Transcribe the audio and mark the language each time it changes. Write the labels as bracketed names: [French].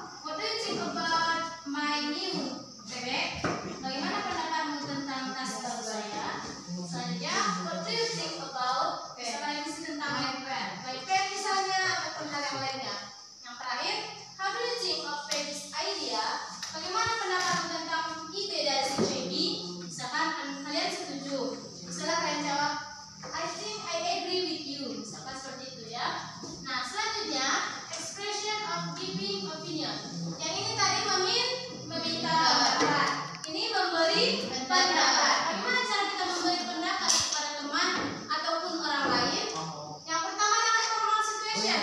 [English] What do you think about my new bag? [Indonesian] Bagaimana pendapatmu tentang tas baru saya? Selanjutnya, [English] what do you think about? [Indonesian] Selain itu tentang [English] my pen. My pen [Indonesian] misalnya atau hal yang lainnya. Yang terakhir, [English] how do you think of Faye's idea? [Indonesian] Bagaimana pendapatmu tentang ide dari si Faye? Misalkan kalian setuju. Misalnya kalian jawab, [English] I think I agree with you. [Indonesian] Misalkan seperti itu ya. Nah, selanjutnya, [English] expression of giving opinion. [Indonesian] Yang ini tadi meminta pendapat. Ini memberi pendapat. Bagaimana cara kita memberi pendapat kepada teman ataupun orang lain? Yang pertama adalah [English] formal situation.